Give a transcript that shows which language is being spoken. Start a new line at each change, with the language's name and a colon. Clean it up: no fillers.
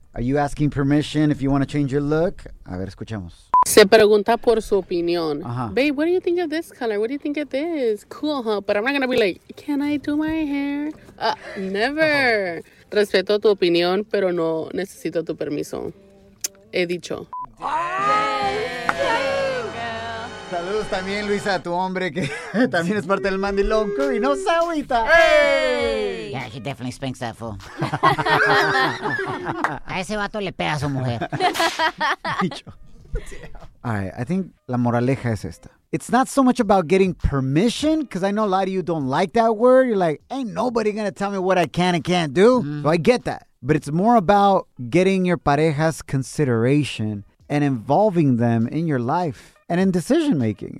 English: Are you asking permission if you want to change your look?
Spanish: A ver, escuchemos. Se pregunta por su opinión. Uh-huh.
English: Babe, what do you think of this color? What do you think of this? Cool, huh? But I'm not going to be like, can I do my hair? Never. Uh-huh.
Spanish: Respeto tu opinión, pero no necesito tu permiso. He dicho. Saludos también, Luisa, a tu hombre, que también es parte del Mandilón Crew. ¡No se agüita! ¡Hey!
English: Yeah, he definitely spanks that fool.
Spanish: A ese vato le pega a su mujer. Dicho.
English: All right, I think
Spanish: la moraleja es esta.
English: it's not so much about getting permission, because I know a lot of you don't like that word. You're like, ain't nobody going to tell me what I can and can't do. Mm-hmm. So I get that. But it's more about getting your pareja's consideration and involving them in your life and in decision making.